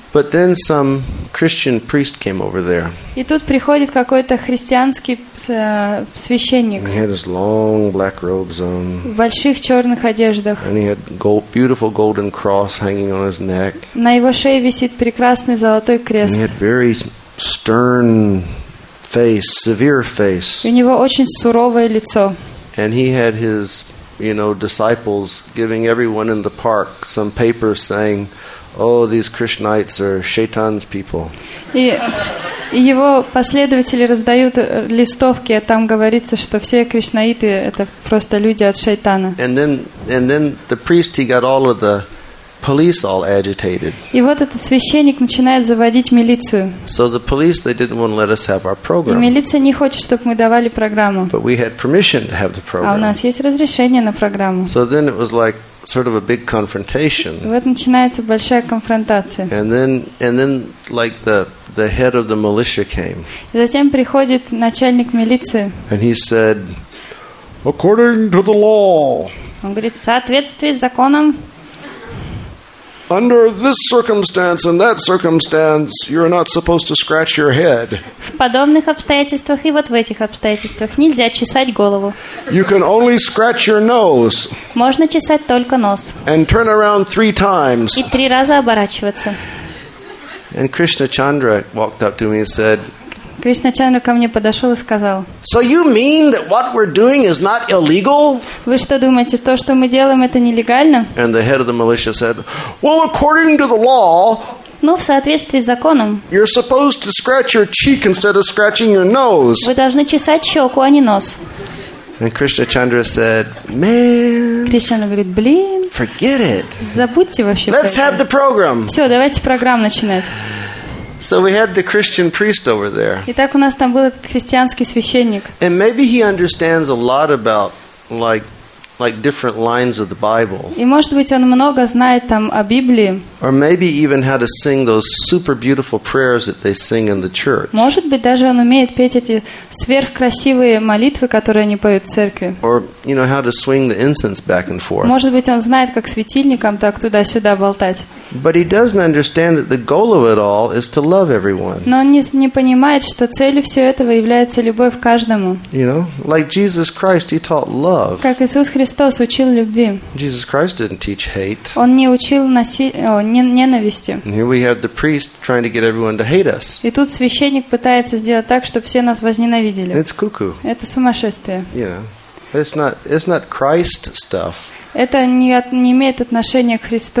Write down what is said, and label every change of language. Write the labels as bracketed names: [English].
[English] But then some Christian priest came over there. [Russian] И тут приходит какой-то христианский священник. [English] He had his long black robes on. [Russian] В больших черных одеждах. [English] And he had beautiful golden cross hanging on his neck. [Russian] На его шее висит прекрасный золотой крест. [English] And he had very stern face, severe face. [Russian] У него очень суровое лицо. [English] And he had his, you know, disciples giving everyone in the park some papers saying, "Oh, these Krishnites are Shaitan's people." [Russian] И его последователи раздают листовки, а там говорится, что все кришнаиты это просто люди от шайтана. [English] And then the priest, he got all of the police all agitated. [Russian] И вот этот священник начинает заводить милицию. [English] So the police, they didn't want to let us have our program. [Russian] И милиция не хочет, чтобы мы давали программу. [English] But we had permission to have the program. [Russian] А у нас есть разрешение на программу. [English] So then it was like sort of a big confrontation. [Russian] И вот начинается большая конфронтация. [English] And then like the head of the militia came. [Russian] И затем приходит начальник милиции. [English] And he said, according to the law. [Russian] Он говорит, в соответствии с законом. [English] Under this circumstance and that circumstance, you're not supposed to scratch your head. [Russian] В подобных обстоятельствах и вот в этих обстоятельствах нельзя чесать голову. [English] You can only scratch your nose. [Russian] Можно чесать только нос. [English] And turn around three times. [Russian] И три раза оборачиваться. [English] And Krishna Chandra walked up to me and said, [Russian] Кришна Чандра ко мне подошел и сказал, [English] So you mean that what we're doing is not illegal? [Russian] Вы что думаете, то, что мы делаем, это нелегально? [English] And the head of the militia said, Well, according to the law, [Russian] Ну, в соответствии с законом, [English] you're supposed to scratch your cheek instead of scratching your nose. [Russian] Вы должны чесать щеку, а не нос. [English] And Krishna Chandra said, Man, [Russian] Кришна говорит, блин, [English] forget it. [Russian] Забудьте вообще. [English] Let's have the program. [Russian] Все, давайте программу начинать. [English] So we had the Christian priest over there. [Russian] Итак, у нас там был этот христианский священник. [English] And maybe he understands a lot about like different lines of the Bible. [Russian] И может быть, он много знает там о Библии. [English] Or maybe even how to sing those super beautiful prayers that they sing in the church. [Russian] Может быть, даже он умеет петь эти сверхкрасивые молитвы, которые они поют в церкви. [English] Or you know how to swing the incense back and forth. [Russian] Может быть, он знает, как светильником так туда-сюда болтать. [English] But he doesn't understand that the goal of it all is to love everyone. [Russian] Но он не понимает, что целью всего этого является любовь к каждому. [English] You know, like Jesus Christ, he taught love. [Russian] Как Иисус Христос учил любви. [English] Jesus Christ didn't teach hate. [Russian] Он не учил ненависти. [English] And here we have the priest trying to get everyone to hate us. [Russian] И тут священник пытается сделать так, чтобы все нас возненавидели. [English] It's cuckoo. [Russian] Это сумасшествие. [English] You know, it's not Christ stuff. [Russian] Это не имеет отношения к Христу.